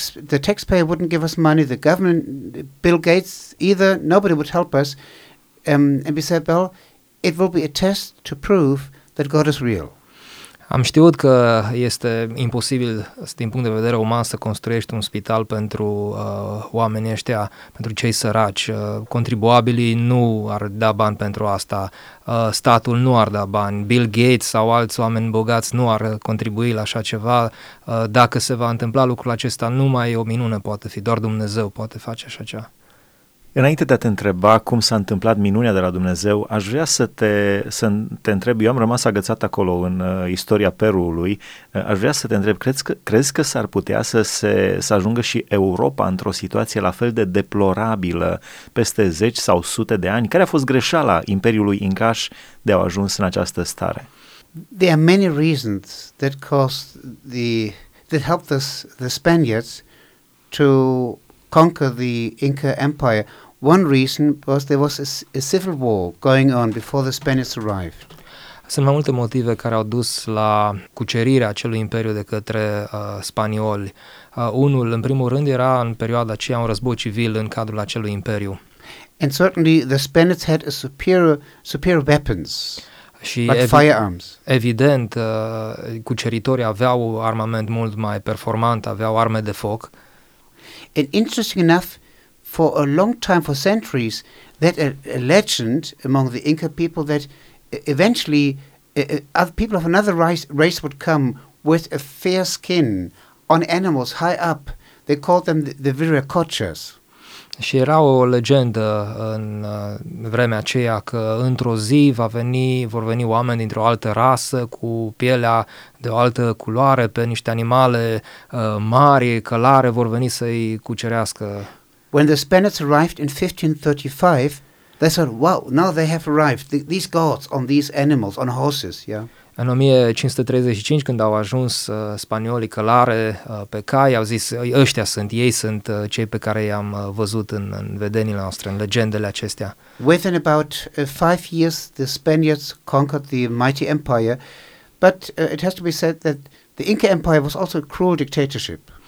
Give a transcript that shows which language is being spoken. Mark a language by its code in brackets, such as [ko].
[en] The taxpayer wouldn't give us money, the government, Bill Gates either, nobody would help us. And we said, well, it will be a test to prove that God is real. [ro] Am știut că este imposibil din punct de vedere uman să construiești un spital pentru oamenii ăștia, pentru cei săraci. Contribuabilii nu ar da bani pentru asta, statul nu ar da bani, Bill Gates sau alți oameni bogați nu ar contribui la așa ceva. Dacă se va întâmpla lucrul acesta, numai o minune poate fi, doar Dumnezeu poate face așa ceva. Înainte de a te întreba cum s-a întâmplat minunea de la Dumnezeu, aș vrea să te întreb, eu am rămas agățat acolo în istoria Peruului, aș vrea să te întreb, crezi că s-ar putea să ajungă și Europa într-o situație la fel de deplorabilă peste zeci sau sute de ani? Care a fost greșeala Imperiului Incaș de a ajuns în această stare? [en] There are many reasons that caused that helped us, the Spaniards, to conquer the Inca Empire. One reason was there was a civil war going on before the Spaniards arrived. [ro] Sunt mai multe motive care au dus la cucerirea acelui imperiu de către spanioli. Unul, în primul rând, era în perioada aceea un război civil în cadrul acelui imperiu. [en] And certainly the Spaniards had a superior weapons. [ro] Și [en] firearms. [ro] Evident, cuceritorii aveau armament mult mai performant, aveau arme de foc. [en] And interesting enough, for a long time, for centuries, that a legend among the Inca people that eventually other people of another race would come with a fair skin on animals high up. They called them the Viracochas. [ro] Și era o legendă în vremea aceea că într-o zi vor veni oameni dintr-o altă rasă cu pielea de o altă culoare pe niște animale mari, călare, vor veni să-i cucerească. [en] When the Spaniards arrived in 1535, they said, wow, now they have arrived, these gods on these animals, on horses, yeah. [ro] În 1535, când au ajuns spaniolii călare pe cai, au zis, ăștia sunt, ei sunt cei pe care i-am văzut în vedenile noastre, în legendele acestea. [en] Within about 5 years, the Spaniards conquered the mighty empire, but it has to be said that the Inca Empire was also a cruel dictatorship.